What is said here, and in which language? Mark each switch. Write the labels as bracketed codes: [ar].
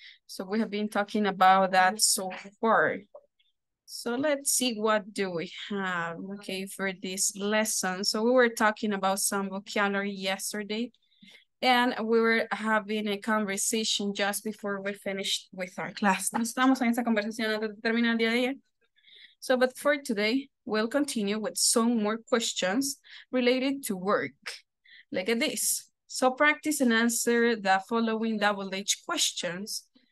[en] So we have been talking about that so far. So let's see, what do we have, okay, for this lesson? So we were talking about some vocabulary yesterday, and we were having a conversation just before we finished with our class. [es] Estamos en esa conversación antes de terminar el día de ayer. [en] So, but for today, we'll continue with some more questions related to work. Look at this. So practice and answer the following double H questions.